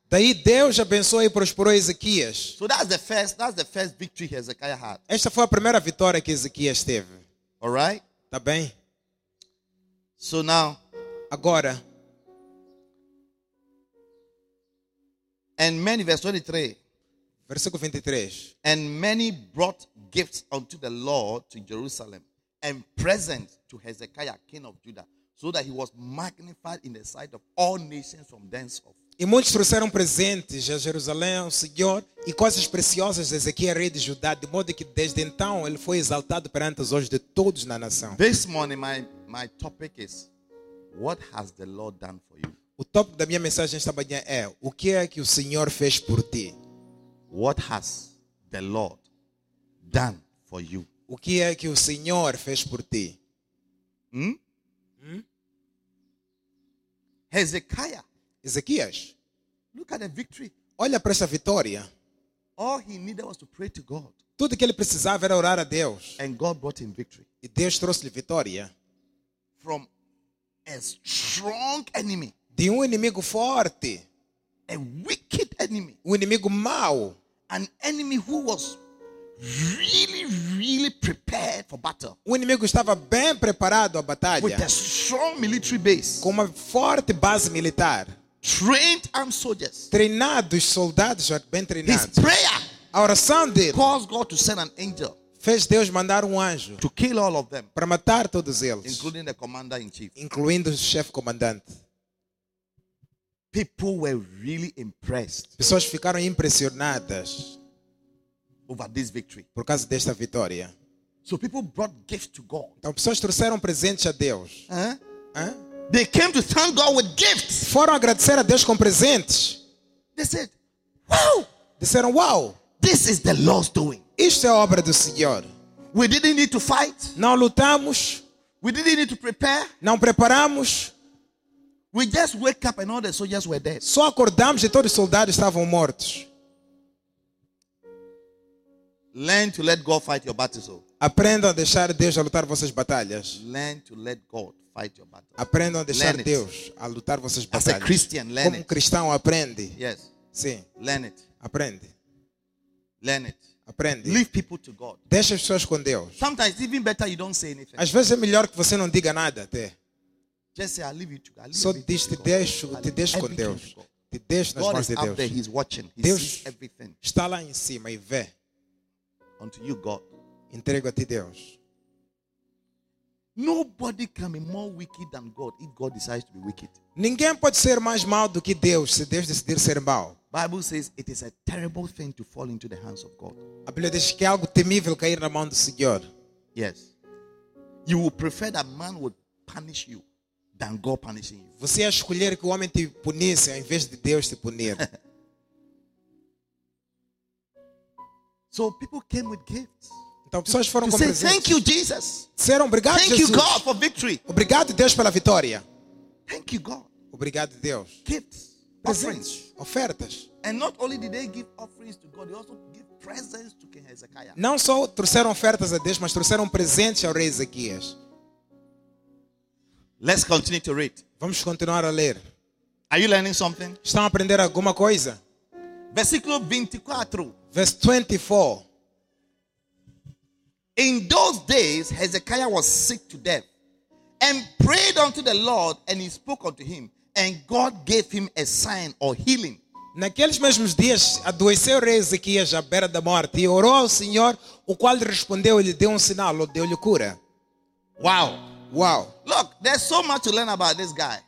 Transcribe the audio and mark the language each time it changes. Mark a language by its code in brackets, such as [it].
[pt] Daí Deus abençoou e prosperou Ezequias. [en] So that's the first victory Hezekiah had. [pt] Esta foi a primeira vitória que Ezequias teve. [en] All right? [pt] Tá bem? [en] So now, [pt] agora. [en] And many verse 23. [pt] Versículo [en] 23. And many brought gifts unto the Lord to Jerusalem and presents to Hezekiah, king of Judah, so that he was magnified in the sight of all nations from thenceforth. [pt] E muitos trouxeram presentes a Jerusalém ao Senhor e coisas preciosas de Ezequias, rei de Judá, de modo que desde então ele foi exaltado perante os olhos de todos na nação. [en] This morning, my topic is, what has the Lord done for you? [pt] O tópico da minha mensagem esta manhã é, o que é que o Senhor fez por ti? [en] What has the Lord done for you? [pt] O que é que o Senhor fez por ti? [en] Hezekiah. [pt] Ezequias. [en] Look at the victory. [pt] Olha para essa vitória. [en] All he needed was to pray to God. [pt] Tudo que ele precisava era orar a Deus. [en] And God brought him victory. [pt] E Deus trouxe-lhe vitória. [en] From a strong enemy. [pt] De inimigo forte. [en] A wicked enemy. [pt] Inimigo mau. [en] An enemy who was really, really prepared for for battle. [pt] O inimigo estava bem preparado à batalha. [en] With a strong military base. [pt] Com uma forte base militar. [en] Trained armed soldiers. [pt] Treinados soldados já bem treinados. [en] His prayer. [pt] A oração dele. [en] Caused God to send an angel. [pt] Fez Deus mandar anjo [en] to kill all of them, [pt] para matar todos eles, [en] including the commander in chief, [pt] incluindo o chefe comandante. [en] People were really impressed. [pt] Pessoas ficaram impressionadas [en] over this victory. [pt] Por causa desta vitória. [en] So people brought gifts to God. [pt] Então pessoas trouxeram presentes a Deus. [en] They came to thank God with gifts. [pt] Foram agradecer a Deus com presentes. [en] They said, "Wow!" [pt] Disseram, "Wow! [en] This is the Lord's doing." [pt] Isto é a obra do Senhor. [en] We didn't need to fight. [pt] Não lutamos. [en] We didn't need to prepare. [pt] Não preparamos. [en] We just woke up and all the soldiers were dead. [pt] Só acordamos e todos os soldados estavam mortos. [en] Learn to let God fight your battles. [pt] Aprenda a deixar Deus a lutar vossas batalhas. [en] Learn to let God fight your battles. [pt] Aprenda a deixar Deus a lutar vossas batalhas. [en] As a Christian, learn [pt] como um cristão aprende. [en] Yes. [pt] Sim. [en] Learn it. [pt] Aprende. [en] Learn it. [pt] Aprende. [en] Leave people to God. [pt] Deixa as pessoas com Deus. [en] Sometimes even better you don't say anything. [pt] Às vezes é melhor que você não diga nada até. [en] Just say I leave you to God. [pt] Só diz te deixo com Deus. Te deixo nas mãos de Deus. [en] There, he's watching. He [pt] Deus [en] sees everything. [pt] Está lá em cima e vê. [en] Unto you, God. [pt] Entrego a ti, Deus. [en] Nobody can be more wicked than God if God decides to be wicked. [pt] Ninguém pode ser mais mau do que Deus se Deus decidir ser mau. [en] Bible says it is a terrible thing to fall into the hands of God. [pt] A Bíblia diz que é algo temível cair na mão do Senhor. [en] Yes. You will prefer that man would punish you than God punishing you. [pt] Você ia escolher que o homem te punisse ao invés de Deus te punir. [en] So people came with gifts. [pt] Então pessoas foram com presentes. [en] Thank you, Jesus. [pt] Disseram, obrigado, [en] thank [pt] Jesus. [en] You, God, for victory. [pt] Obrigado, Deus, pela vitória. [en] Thank you, God. [pt] Obrigado, Deus. [en] Gifts. [pt] Presentes, ofertas. [en] And not only did they give offerings to God, they also gave presents to King Hezekiah. [pt] Não só trouxeram ofertas a Deus, mas trouxeram presentes ao rei Ezequias. [en] Let's continue to read. [pt] Vamos continuar a ler. [en] Are you learning something? [pt] Estão a aprender alguma coisa? Versículo 24. [en] Verse 24. In those days, Hezekiah was sick to death and prayed unto the Lord, and he spoke unto him. And God gave him a sign or healing. [pt] Naqueles mesmos dias, adoeceu o rei Ezequias à beira da morte e orou ao Senhor, o qual respondeu e lhe deu um sinal, ou deu-lhe cura. Wow. Wow. [en] Look, there's so much to learn about this guy.